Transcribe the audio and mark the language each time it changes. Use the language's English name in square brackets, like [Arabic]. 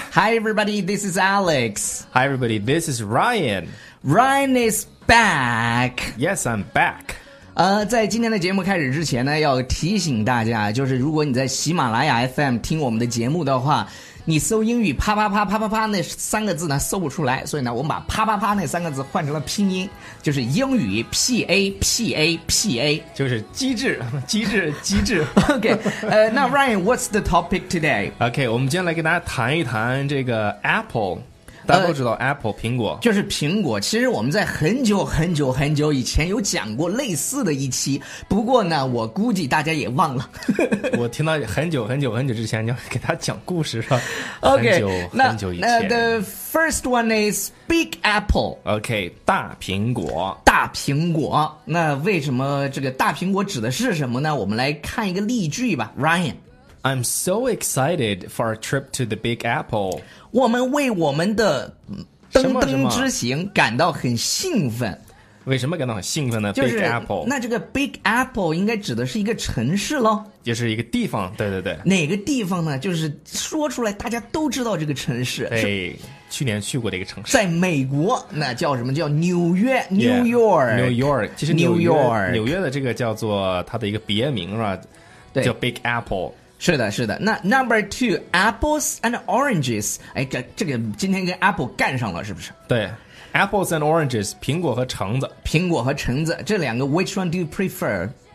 [English] Hi everybody, this is Alex. Hi everybody, this is Ryan. Ryan is back. Yes, I'm back. [Chinese] 在今天的节目开始之前呢，要提醒大家，就是如果你在喜马拉雅 FM 听我们的节目的话，你搜英语啪啪啪啪啪啪那三个字呢搜不出来，所以呢我们把啪啪啪那三个字换成了拼音，就是英语 PAPAPA，就是机智机智机智。 [English] OK， 那 Ryan， what's the topic today？ [Chinese] OK， 我们今天来跟大家谈一谈这个 Apple，大家都知道 Apple 苹果，就是苹果。其实我们在很久很久很久以前有讲过类似的一期，不过呢我估计大家也忘了。我听到很久很久很久之前你要给他讲故事是吧？ [English] Okay， [Chinese] 很久很久以前。 [English] The first one is Big Apple。 [Chinese] OK， 大苹果，大苹果。那为什么这个大苹果指的是什么呢？我们来看一个例句吧。Ryan， [English] I'm so excited for our trip to the Big Apple。 [Chinese] 我们为我们的登登之行感到很兴奋。什么什么？为什么感到很兴奋呢？就是 [English] Big Apple。 [Chinese] 那这个 Big Apple 应该指的是一个城市咯，就是一个地方。对对对，哪个地方呢？就是说出来大家都知道这个城市。对，去年去过的一个城市，在美国，那叫什么？叫纽约。New [English] York。 New York， [Chinese] 其实纽约，纽约的这个叫做它的一个别名是吧？叫 Big Apple。是的，是的。那 [English] number two， apples and oranges。 [Chinese] 哎，这个今天跟 apple 干上了是不是？对， [English] apples and oranges， [Chinese] 苹果和橙子。苹果和橙子这两个， [English] which one do you prefer？